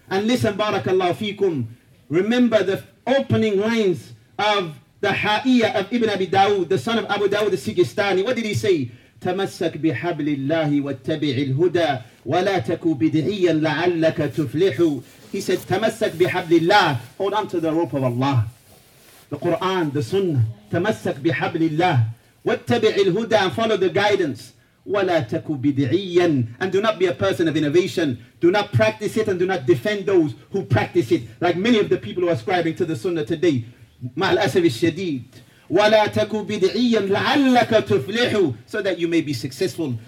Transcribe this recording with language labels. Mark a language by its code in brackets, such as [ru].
[en] And listen, barakallahu feekum. Remember the opening lines of the Ha'iyah of Ibn Abi Dawud, the son of Abu Dawud al-Sijistani. What did he say? [ar] تَمَسَّكْ بِحَبْلِ اللَّهِ وَاتَّبِعِ الْهُدَى وَلَا تَكُوا بِدْعِيًّا لَعَلَّكَ تُفْلِحُ. [en] He said, [ar] تَمَسَّكْ بِحَبْلِ اللَّهِ, [en] hold on to the rope of Allah, the Quran, the Sunnah. [ar] تَمَسَّكْ بِحَبْلِ اللَّهِ وَاتَّبِعِ الْهُدَى, [en] and follow the guidance. [ar] وَلَا تَكُوا بِدْعِيًّا, [en] and do not be a person of innovation. Do not practice it, and do not defend those who practice it, like many of the people who are ascribing to the Sunnah today. [ar] مَعَ الْأَسَفِ الشَّدِيدِ. وَلَا تَكُوا بِدْعِيًّا لَعَلَّكَ تُفْلِحُ, [en] so that you may be successful.